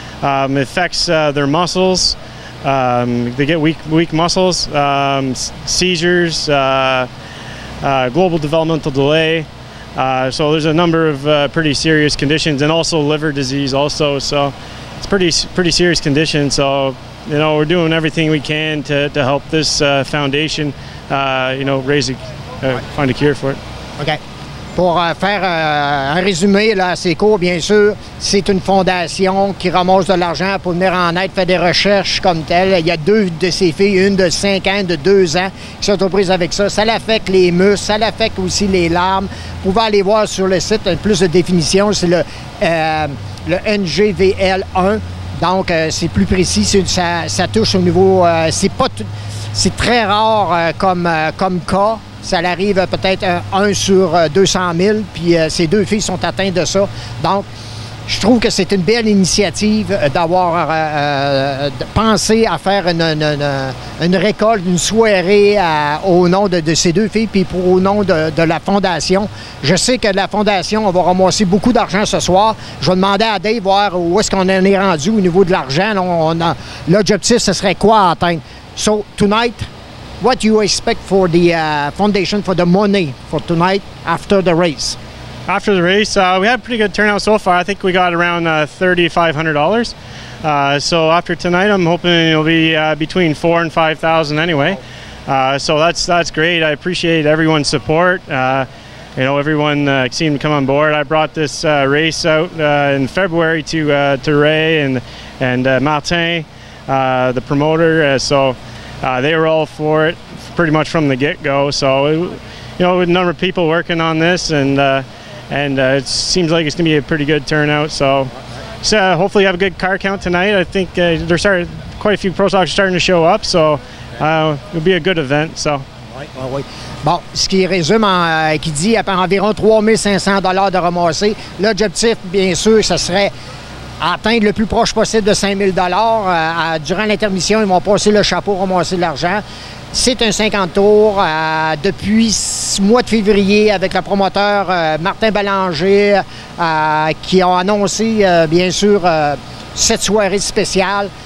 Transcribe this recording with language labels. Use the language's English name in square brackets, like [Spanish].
[English] It affects their muscles. They get weak muscles, seizures, global developmental delay. So there's a number of pretty serious conditions, and also liver disease also. So it's pretty serious condition. So, you know, we're doing everything we can to help this foundation, find a cure for it. Okay. [French] Pour faire un résumé là, assez court, bien sûr, c'est une fondation qui ramasse de l'argent pour venir en aide, faire des recherches comme telle. Il y a deux de ses filles, une de 5 ans, de 2 ans, qui sont aux prises avec ça. Ça l'affecte les muscles, ça l'affecte aussi les larmes. Vous pouvez aller voir sur le site, plus de définitions, c'est le NGVL1. Donc, c'est plus précis, ça touche au niveau... c'est très rare comme cas. Ça arrive peut-être 1 sur 200 000, puis ces deux filles sont atteintes de ça. Donc, je trouve que c'est une belle initiative d'avoir pensé à faire une récolte, une soirée au nom de ces deux filles, puis au nom de la Fondation. Je sais que la Fondation va ramasser beaucoup d'argent ce soir. Je vais demander à Dave voir où est-ce qu'on en est rendu au niveau de l'argent. L'objectif, ce serait quoi à atteindre? [English] So, tonight... What do you expect for the foundation for the money for tonight after the race? After the race, we had a pretty good turnout so far. I think we got around $3,500. So after tonight, I'm hoping it'll be between $4,000 and $5,000 anyway. So that's great. I appreciate everyone's support. Everyone seemed to come on board. I brought this race out in February to Ray and Martin, the promoter. They were all for it pretty much from the get-go. So, with a number of people working on this, and it seems like it's going to be a pretty good turnout. So hopefully you have a good car count tonight. I think quite a few pro stocks are starting to show up, so it'll be a good event. So. [French] Oui. Bon, ce qui résume, qui dit à environ 3 500 $ de ramasser, l'objectif, bien sûr, ce serait... atteindre le plus proche possible de 5 000 $. Durant l'intermission, ils vont passer le chapeau, ramasser de l'argent. C'est un 50 tours. Depuis 6 mois de février, avec le promoteur Martin Ballanger, qui a annoncé, bien sûr, cette soirée spéciale.